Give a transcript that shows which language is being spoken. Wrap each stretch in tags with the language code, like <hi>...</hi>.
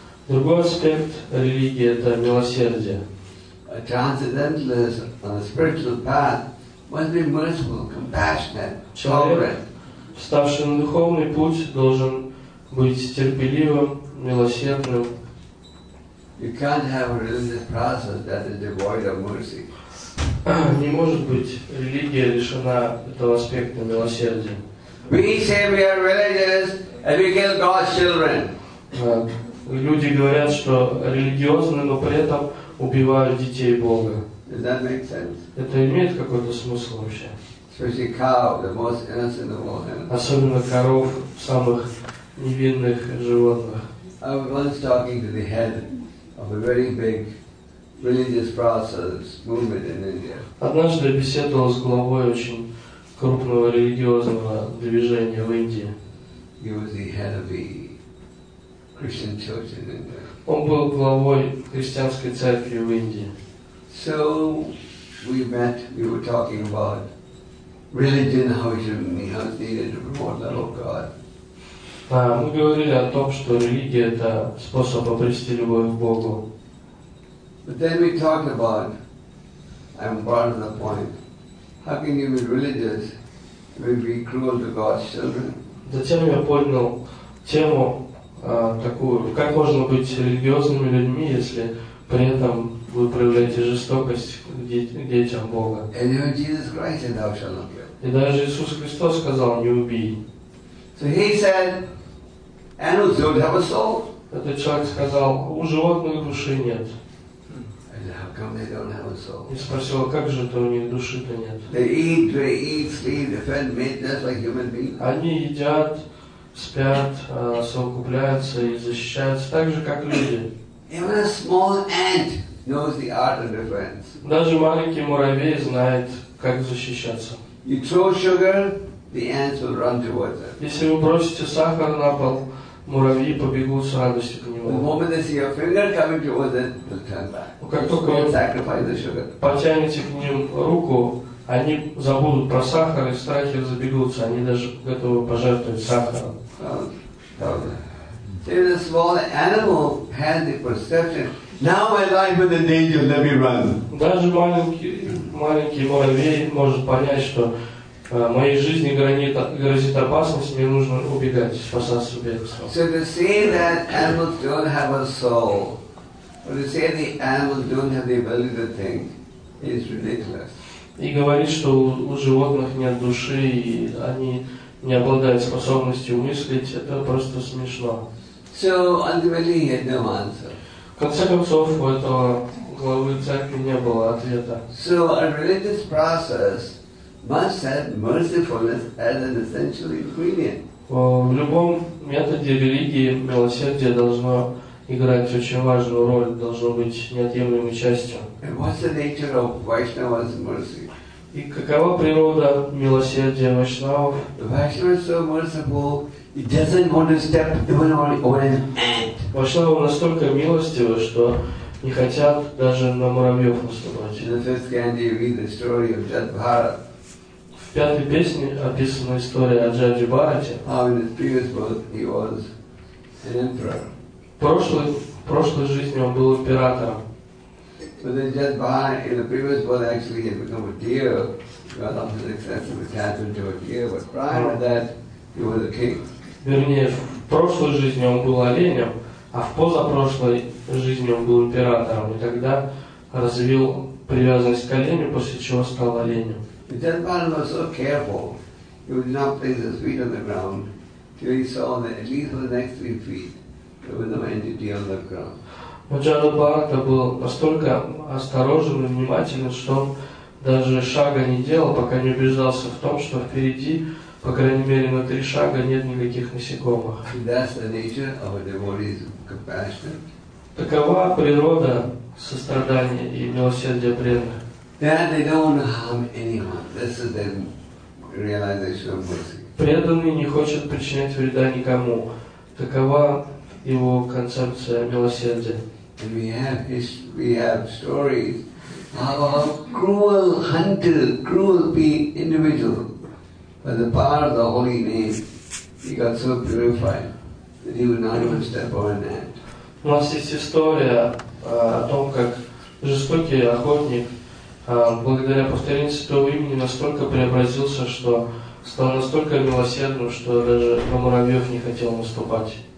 <ru>Другой аспект религии – это милосердие.</ru> <en>A transcendentalist on a spiritual path must be merciful, compassionate, tolerant.</en> <ru>Человек, вставший на духовный путь, должен быть терпеливым, милосердным.</ru> <en>You can't have a religious process that is devoid of mercy.</en> <ru>Не может быть религия лишена этого аспекта милосердия.</ru> <en>We say we are religious and we kill God's children.</en> <ru>Люди говорят, что религиозны, но при этом убивают детей Бога.</ru> <en>Does that make sense?</en> <ru>Это имеет какой-то смысл вообще?</ru> <en>Especially cow, the most innocent of all animals.</en> <ru>Особенно коров, самых невинных животных.</ru> <en>I was once talking to the head of a very big religious process movement in India.</en> <ru>Однажды я беседовал с главой очень крупного религиозного движения в Индии.</ru> <en>He was the head of the Christian church in India.</en> <ru>Он был главой христианской церкви в Индии.</ru> <en>So we met. We were talking about religion, how it should be, how it's needed to promote the love of God.</en> <ru>Мы говорили о том, что религия – это способ обрести любовь к Богу.</ru> <en>But then we talked about, I'm brought to the point, how can you be religious and be cruel to God's children?</en> <ru>Затем я поднял тему такую, как можно быть религиозными людьми, если при этом вы проявляете жестокость к детям Бога.</ru> <en>And even Jesus Christ said, thou shalt not kill.</en> <ru>И даже Иисус Христос сказал, не убий.</ru> <en>So he said, animals don't have a soul.</en> <ru>Этот человек сказал, у животных души нет.</ru> <en>And how come they don't have a soul?</en> <ru>И спросил, как же это у них души-то нет?</ru> <en>They eat, sleep, defend, mate, just like human beings.</en> <ru>Они едят, спят, совокупляются и защищаются так же, как люди.</ru> <en>Even a small ant knows the art of defense.</en> <ru>Даже маленький муравей знает, как защищаться.</ru> <en>You throw sugar, the ants will run towards it.</en> <ru>Если вы бросите сахар на пол, муравьи побегут с радостью к нему.</ru> <en>The moment they see your finger coming towards it, they'll turn back.</en> <ru>Как только вы</ru> <en>sacrifice the sugar.</en> <ru>Потянете к ним руку, они забудут про сахар и в страхе забегутся. Они даже готовы пожертвовать сахаром.</ru> <en>Even a small animal has the perception. Now my life is in danger. Let me run.</en> <ru>Даже маленький маленький муравей может понять, что моей жизни грозит опасность, мне нужно убегать, спасаться бегством.</ru> <en>So to say that animals don't have a soul, or to say the animals don't have the ability to think, is ridiculous.</en> <ru>И говорит, что у животных нет души, и они не обладают способностью мыслить, это просто смешно.</ru> <en>So, ultimately, he had no answer.</en> <ru>В конце концов, у этого главы церкви не было ответа.</ru> <en>So, a religious process must have mercifulness as an essential ingredient.</en> <ru>В любом методе религии милосердие должно играть очень важную роль, должно быть неотъемлемой частью.</ru> <en>And what's the nature of Vaishnava's mercy?</en> <ru>И какова природа милосердия Вайшнава?</ru> <en>Vaishnava is so merciful, he doesn't want to step even on an ant.</en> <ru>Вайшнава настолько милостивы, что не хотят даже на муравьев наступать.</ru> <en>In the fifth candy, you read the story of Jat Bharat.</en> <ru>В пятой песне описана история о Джаджи Бхарате.</ru> <en>How in his previous birth he was an emperor.</en> <ru>В прошлой жизни он был императором.</ru> <en>But then Jat Bhai, in the previous birth, actually he had become a deer, got up to the extent of attachment to a deer, but prior to that, he was a king.</en> <ru>Вернее, в прошлой жизни он был оленем, а в позапрошлой жизни он был императором, и тогда развил привязанность к оленю, после чего стал оленем.</ru> <en>But Jat Bhai was so careful, he would not place his feet on the ground, till he saw that at least for the next 3 feet, there was no entity on the ground.</en> <ru>Но Джада Бхарата был настолько осторожен и внимателен, что он даже шага не делал, пока не убеждался в том, что впереди, по крайней мере, на 3 шага нет никаких насекомых.</ru> <en>That's the nature of a devotee's compassion.</en> <ru>Такова природа сострадания и милосердия преданных.</ru> <en>That they don't want to harm anyone. This is their realization of mercy.</en> <ru>Преданный не хочет причинять вреда никому. Такова его концепция милосердия.</ru> <en>And we have stories about cruel hunter, cruel being individual. By the power of the holy name, he got so purified that he would not even step on an ant.</en> <ru>У нас есть история о том, как жестокий охотник, благодаря повторению святого имени, настолько преобразился, что стал настолько милосердным, что даже на муравьев не хотел наступать.</ru>